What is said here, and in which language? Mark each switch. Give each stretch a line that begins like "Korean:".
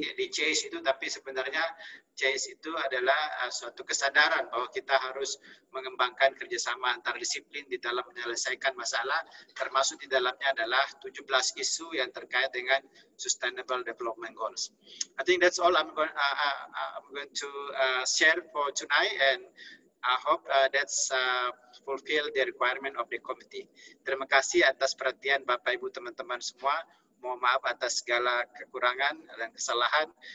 Indonesian: Jadi CASE itu, tapi sebenarnya CASE itu adalah suatu kesadaran bahwa kita harus mengembangkan kerjasama antar disiplin di dalam menyelesaikan masalah, termasuk di dalamnya adalah 17 isu yang terkait dengan Sustainable Development Goals.
English: I think that's all I'm going to share for tonight, and I hope that's fulfill the requirement of the committee.
Indonesian: Terima kasih atas perhatian Bapak Ibu teman-teman semua. Mohon maaf atas segala kekurangan dan kesalahan.